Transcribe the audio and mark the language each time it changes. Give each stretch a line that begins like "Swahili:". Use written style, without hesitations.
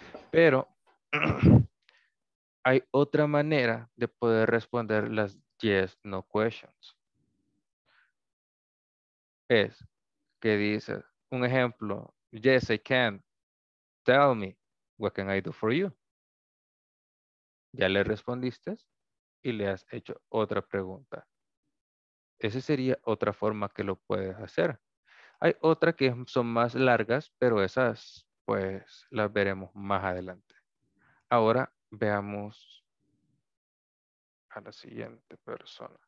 Spanish: Pero hay otra manera de poder responder las yes, no questions. Es que dice, un ejemplo,
English: yes, I can. Tell me, what can I do for you?
Spanish: Ya le respondiste y le has hecho otra pregunta. Esa sería otra forma que lo puedes hacer. Hay otra que son más largas, pero esas pues las veremos más adelante. Ahora veamos a la siguiente persona.